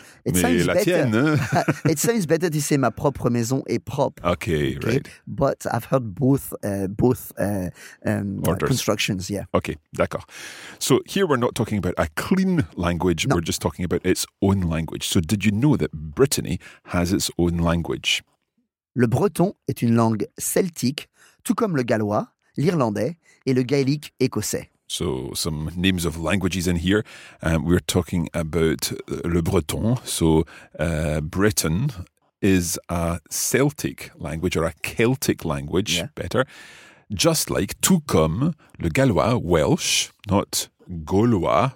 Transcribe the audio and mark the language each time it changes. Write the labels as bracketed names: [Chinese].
[English] It sounds better to say [French] ma propre maison est propre. [English] Okay, right. But I've heard both constructions, yeah. Okay, [French] d'accord. [English] So here we're not talking about a clean language, no. We're just talking about its own language. So did you know that Brittany has its own language? [French] Le breton est une langue celtique, tout comme le gallois, l'irlandais et le gaélique écossais. [English] So, some names of languages in here. We're talking about le breton. So, Breton is a Celtic language or a Celtic language, better. Just like, [French] tout comme le gallois, [English] Welsh, not Gaulois,